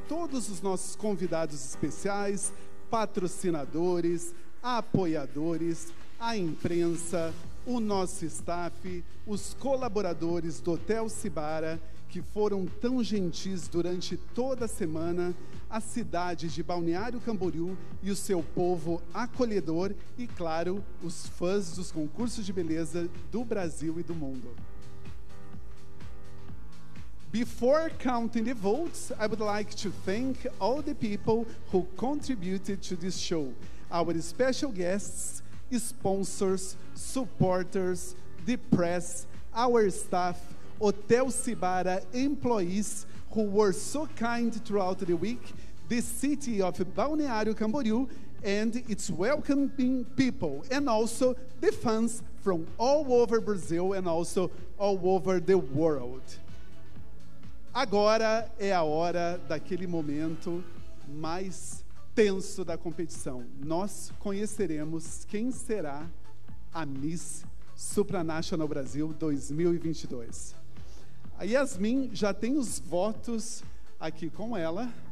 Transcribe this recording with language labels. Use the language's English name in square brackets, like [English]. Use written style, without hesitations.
[Portuguese] Todos os nossos convidados especiais, patrocinadores, apoiadores, a imprensa, o nosso staff, os colaboradores do Hotel Cibara, que foram tão gentis durante toda a semana, a cidade de Balneário Camboriú e o seu povo acolhedor e, claro, os fãs dos concursos de beleza do Brasil e do mundo. [English] Before counting the votes, I would like to thank all the people who contributed to this show. Our special guests, sponsors, supporters, the press, our staff, Hotel Cibara employees who were so kind throughout the week, the city of Balneário Camboriú and its welcoming people, and also the fans from all over Brazil and also all over the world. [Portuguese] Agora é a hora daquele momento mais tenso da competição. Nós conheceremos quem será a Miss Supranational Brasil 2022. A Yasmin já tem os votos aqui com ela.